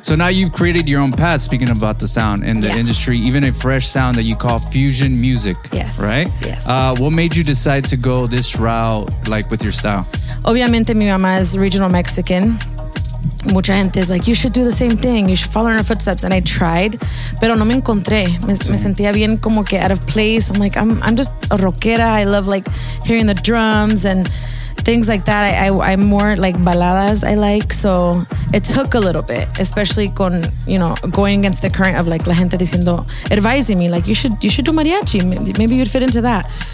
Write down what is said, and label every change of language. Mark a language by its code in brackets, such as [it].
[en] So now you've created your own path, speaking about the sound in the yeah. industry, even a fresh sound that you call fusion music. Yes. Right? Yes. What made you decide to go this route, like with your style? [es] Obviamente, mi mamá es regional Mexican. Mucha gente es [en] like, you should do the same thing. You should follow in her footsteps. And I tried, [es] pero no me encontré. Me sentía bien como que [en] out of place. I'm like, I'm just a rockera. I love like hearing the drums and things like that. I'm more like baladas I like. So it took a little bit, especially con, you know, going against the current of like [es] la gente diciendo, [en] advising me, like you should do mariachi. Maybe you'd fit into that.